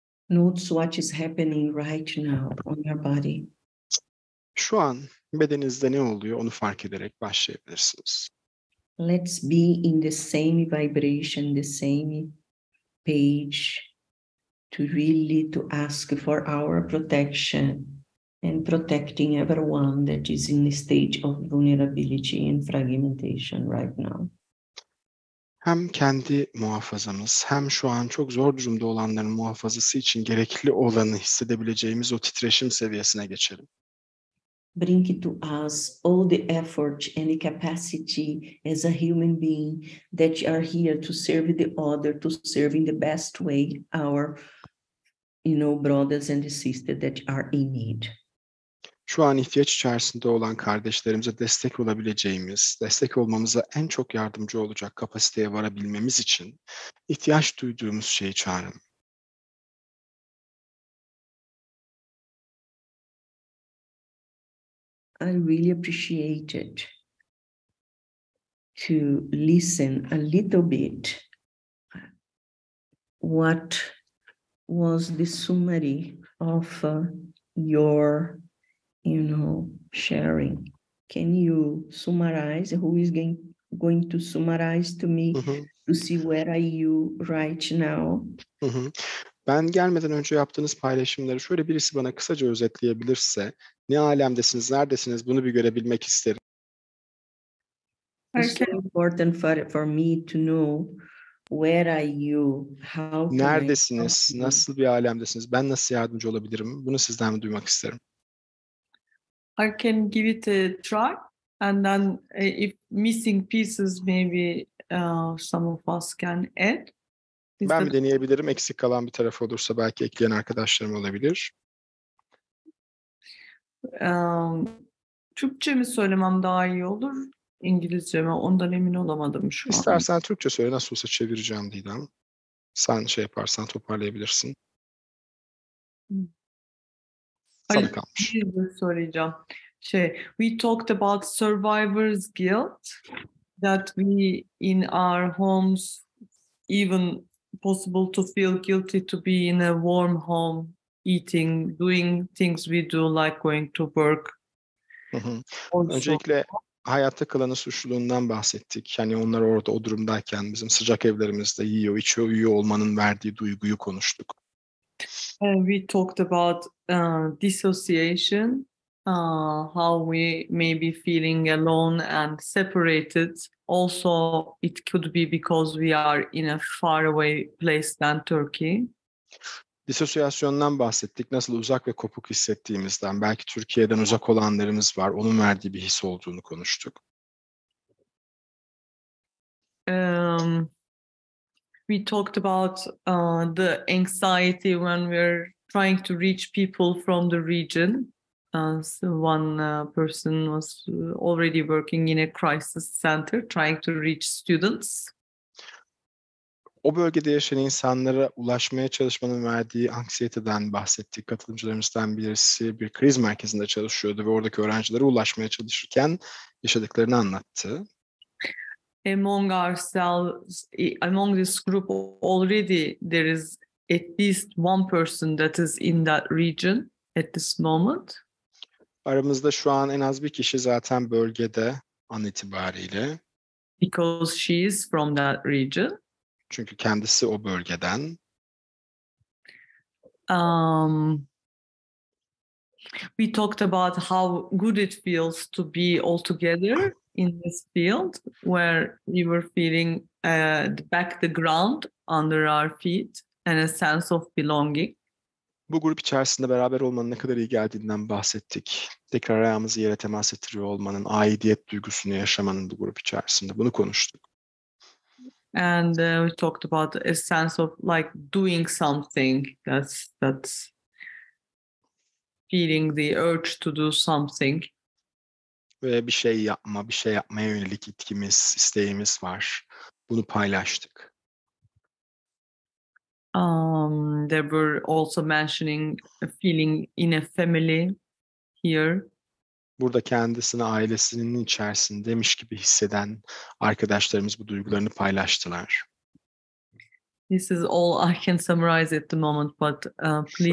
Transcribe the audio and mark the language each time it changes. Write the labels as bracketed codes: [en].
[en] Note what is happening right now on your body. [tr] Şu an bedeninizde ne oluyor onu fark ederek başlayabilirsiniz. [en] Let's be in the same vibration, the same page. To really to ask for our protection and protecting everyone that is in the stage of vulnerability and fragmentation right now. [tr] Hem kendi muhafazamız, hem şu an çok zor durumda olanların muhafazası için gerekli olanı hissedebileceğimiz o titreşim seviyesine geçelim. [en] Bring to us all the effort and the capacity as a human being that you are here to serve the other, to serve in the best way our, you know, brothers and sisters that are in need. [tr] Şu an ihtiyaç içerisinde olan kardeşlerimize destek olabileceğimiz, destek olmamıza en çok yardımcı olacak kapasiteye varabilmemiz için ihtiyaç duyduğumuz şeyi çağırın. [en] I really appreciate it to listen a little bit what was the summary of your, you know, sharing. Can you summarize? Who is going to summarize to me to see where are you right now? [tr] Ben gelmeden önce yaptığınız paylaşımları şöyle birisi bana kısaca özetleyebilirse, ne alemdesiniz, neredesiniz, bunu bir görebilmek isterim. [en] It's so important for me to know where are you, how can [tr] neredesiniz, nasıl bir alemdesiniz, ben nasıl yardımcı olabilirim, bunu sizden duymak isterim. [en] I can give it a try. And then if missing pieces, maybe some of us can add. [tr] Ben mi deneyebilirim? Eksik kalan bir taraf olursa belki ekleyen arkadaşlarım olabilir. Türkçe mi söylemem daha iyi olur? İngilizce mi? Ondan emin olamadım şu an. İstersen Türkçe söyle, nasıl olsa çevireceğim Didem. Sen şey yaparsan toparlayabilirsin. Sana kalmış. İngilizce söyleyeceğim. Şey, [en] we talked about survivor's guilt that we in our homes even possible to feel guilty to be in a warm home eating, doing things we do like going to work. [tr] Öncelikle hayatta kalanı suçluluğundan bahsettik. Yani onlar orada o durumdayken bizim sıcak evlerimizde yiyor, içiyor, uyuyor olmanın verdiği duyguyu konuştuk. [en] We talked about dissociation, how we may be feeling alone and separated. Also, it could be because we are in a far away place than Turkey. [tr] Disosyasyondan bahsettik. Nasıl uzak ve kopuk hissettiğimizden, belki Türkiye'den uzak olanlarımız var. Onun verdiği bir his olduğunu konuştuk. [en] We talked about the anxiety when we're trying to reach people from the region. So one person was already working in a crisis center trying to reach students. [tr] O bölgede yaşayan insanlara ulaşmaya çalışmanın verdiği anksiyeteden bahsettik. Katılımcılarımızdan birisi bir kriz merkezinde çalışıyordu ve oradaki öğrencilere ulaşmaya çalışırken yaşadıklarını anlattı. [en] Among ourselves, among this group already there is at least one person that is in that region at this moment. [tr] Aramızda şu an en az bir kişi zaten bölgede an itibariyle. [en] Because she is from that region. [tr] Çünkü kendisi o bölgeden. [en] We talked about how good it feels to be all together in this field where we were feeling back the ground under our feet and a sense of belonging. [tr] Bu grup içerisinde beraber olmanın ne kadar iyi geldiğinden bahsettik. Tekrar ayağımızı yere temas ettiriyor olmanın, aidiyet duygusunu yaşamanın bu grup içerisinde. Bunu konuştuk. [en] And we talked about a sense of like doing something. That's feeling the urge to do something. [tr] Ve bir şey yapma, bir şey yapmaya yönelik itkimiz, isteğimiz var. Bunu paylaştık. [en] They were also mentioning a feeling in a family here. [tr] Burada kendisini ailesinin içerisindeymiş gibi hisseden arkadaşlarımız bu duygularını paylaştılar. [en] This is all I can summarize at the moment, but please.